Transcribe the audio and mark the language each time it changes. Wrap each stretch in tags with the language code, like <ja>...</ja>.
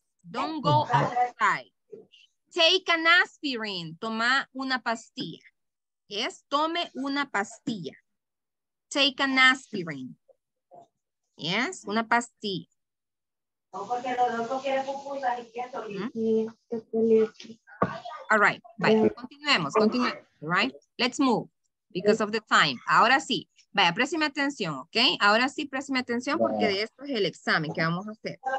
<en>Don't go outside. Take an aspirin,</en> <es>toma una pastilla.</es> <en>Yes,</en> <es>tome una pastilla.</es> <en>Take an aspirin.</en> <es>Yes, una pastilla. No, porque el doctor quiere pupusas y queso.</es> <en>All right, bye.</en> <es>Continuemos, continuemos.</es> <en>All right, let's move because of the time.</en> <es>Ahora sí, vaya, préstame atención, ok. Ahora sí, préstame atención porque de esto es el examen que vamos a hacer.</es>